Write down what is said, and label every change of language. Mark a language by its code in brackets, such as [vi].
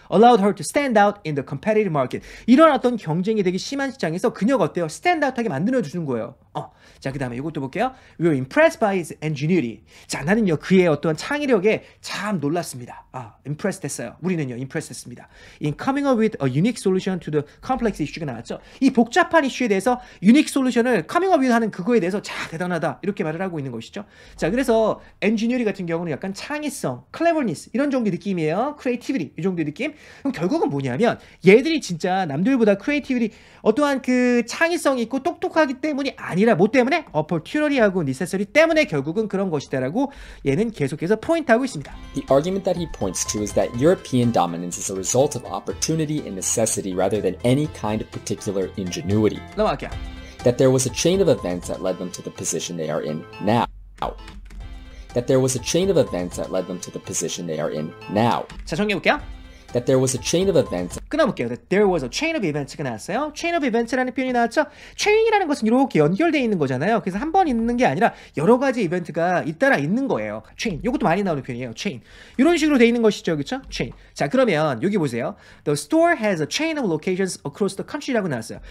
[en] Allowed her to stand out in the competitive market. [ko] 이런 어떤 경쟁이 되게 심한 시장에서 그녀가 어때요? stand out하게 만들어주는 거예요. 자, 그 다음에 이것도 볼게요. [en] We were impressed by his ingenuity. [ko] 자, 나는요, 그의 어떤 창의력에 참 놀랐습니다. impressed 됐어요. 우리는요, impressed 했습니다. [en] In coming up with a unique solution to the complex issue가 나왔죠. [ko] 이 복잡한 이슈에 대해서 unique solution을 coming up with 하는 그거에 대해서 자, 대단하다. 이렇게 말을 하고 있는 것이죠. 자, 그래서 engineering 같은 경우는 약간 창의성, cleverness, 이런 정도 느낌이에요. creativity, 이 정도 느낌. 그럼 결국은 뭐냐면, 얘들이 진짜 남들보다 creativity, 어떠한 그 창의성이 있고 똑똑하기 때문이 아니라 뭐 때문에? opportunity하고 necessity 때문에 결국은 그런 것이다라고 얘는 계속해서 포인트하고 있습니다. [en] The argument that he points to is that European dominance is a result of opportunity and necessity rather than any kind of particular ingenuity. [ko] 넘어갈게요. [en] That there was a chain of events that led them to the position they are in now. That there was a chain of events that led them to the position they are in now. [ko] 자, 정리해볼게요. [en] That there was a chain of events [ko] 끊어볼게요. [en] There was a chain of events [ko] 가 나왔어요. Chain of events라는 표현이 나왔죠. Chain이라는 것은 이렇게 연결되어 있는 거잖아요. 그래서 한 번 있는 게 아니라 여러 가지 이벤트가 잇따라 있는 거예요. [en] Chain. [ko] 이것도 많이 나오는 표현이에요. [en] Chain. [ko] 이런 식으로 되어 있는 것이죠. 그렇죠? Chain. 자, 그러면 여기 보세요. [en] The store has a chain of locations across the country라고 나왔어요.